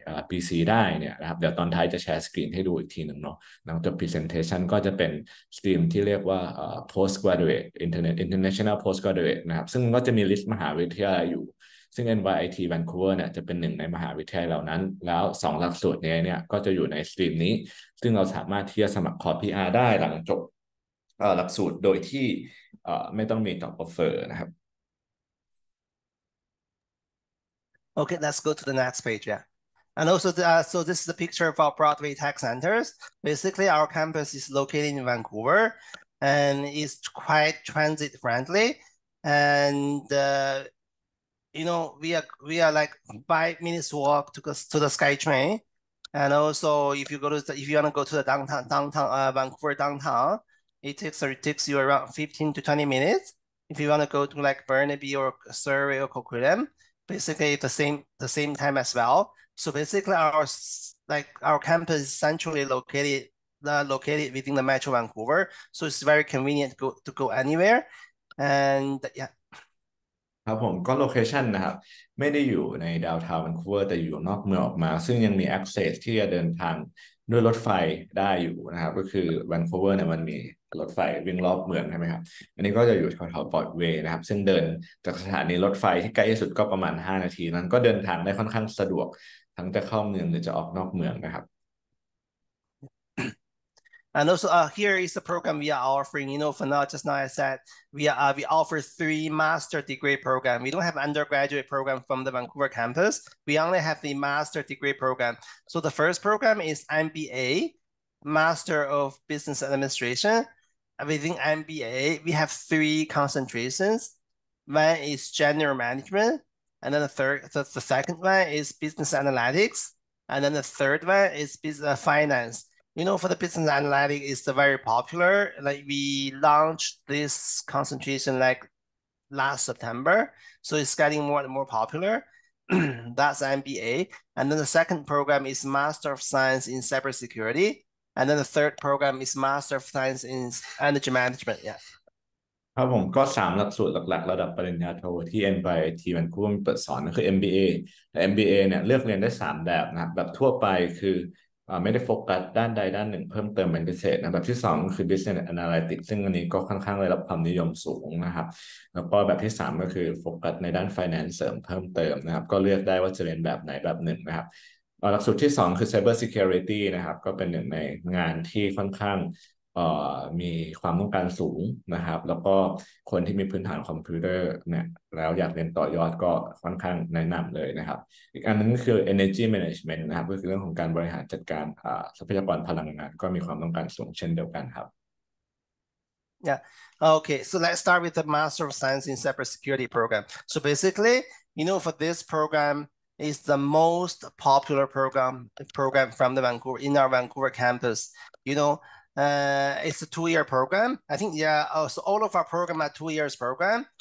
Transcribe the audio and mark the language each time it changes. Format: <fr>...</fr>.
<th>PC ได้เนี่ยนะครับเดี๋ยวตอนท้ายจะแชร์สกรีนให้ดูอีกทีหนึ่งเนาะหลังจบ presentation ก็จะเป็นสตรีมที่เรียกว่า postgraduate international postgraduate นะครับซึ่งก็จะมีลิสต์มหาวิทยาลัยอยู่ซึ่ง NYIT Vancouver เนี่ยจะเป็นหนึ่งในมหาวิทยาลัยเหล่านั้นแล้ว2หลักสูตรนี้เนี่ยก็จะอยู่ในสตรีมนี้ซึ่งเราสามารถที่จะสมัครขอ PR ได้หลังจบหลักสูตรโดยที่ไม่ต้องมีตอบโอเฟอร์นะครับ</th> <en>โอเค let's go to the next page yeah and also the, so this is the picture of our Broadway Tech Centers basically our campus is located in Vancouver and is quite transit friendly and you know we are like 5 minutes walk to the SkyTrain and also if you go to if you want to go to the downtown Vancouver downtown It takes you around 15 to 20 minutes. If you want to go to like Burnaby or Surrey or Coquitlam, basically it's the same time as well. So basically our campus is centrally located within the Metro Vancouver. So it's very convenient to go anywhere. And yeah.</en> <th>ครับผมก็โลเคชันนะครับไม่ได้อยู่ในดาวน์ทาวน์วันคูเวอร์แต่อยู่นอกเมืองออกมาซึ่งยังมี access ที่จะเดินทางด้วยรถไฟได้อยู่นะครับก็คือวันคูเวอร์เนี่ยมันมีรถไฟวิ่งรอบเมืองใช่ไหมครับอันนี้ก็จะอยู่แถวๆ Broadway นะครับซึ่งเดินจากสถานีรถไฟที่ใกล้ที่สุดก็ประมาณ5นาทีนั้นก็เดินทางได้ค่อนข้างสะดวกทั้งจะเข้าเมืองหรือจะออกนอกเมืองนะครับ</th> <en>And also here is the program we are offering, you know, for now, just now I said, we offer 3 master degree program. We don't have undergraduate program from the Vancouver campus. We only have the master degree program. So the first program is MBA, Master of Business Administration. Within MBA, we have 3 concentrations. One is general management. And then the second one is business analytics. And then the third one is business finance. You know, for the business analytics is very popular. Like we launched this concentration like last September. So it's getting more and more popular. That's MBA. And then the second program is Master of Science in Cybersecurity. And then the third program is Master of Science in Energy Management. Yeah.</en> <th>ครับผมก็3หลักสูตรหลักๆระดับปริญญาโทที่ NYIT มันคู่มันเปิดสอนคือ MBA และ MBA เนี่ยเลือกเรียนได้3แบบนะครับแบบทั่วไปคือไม่ได้โฟกัสด้านใดด้านหนึ่งเพิ่มเติมเป็นพิเศษนะแบบที่2คือ Business Analytics ซึ่งอันนี้ก็ค่อนข้างได้รับความนิยมสูงนะครับแล้วก็แบบที่3ก็คือโฟกัสในด้าน Finance เสริมเพิ่มเติมนะครับก็เลือกได้ว่าจะเรียนแบบไหนแบบหนึ่งนะครับหลักสูตรที่2คือ Cybersecurity นะครับก็เป็นหนึ่งในงานที่ค่อนข้าง มีความต้องการสูงนะครับแล้วก็คนที่มีพื้นฐานคอมพิวเตอร์เนี่ยแล้วอยากเรียนต่อยอดก็ค่อนข้างแนะนำเลยนะครับอีกอันนึงก็คือ energy management นะครับก็คือเรื่องของการบริหารจัดการทรัพยากรพลังงานก็มีความต้องการสูงเช่นเดียวกันครับ</th> <en>Yeah okay so let's start with the master of science in cybersecurity program so basically you know for this program is the most popular program from the Vancouver in our Vancouver campus. You know, it's a 2-year program. I think so all of our program are 2 years program.</en>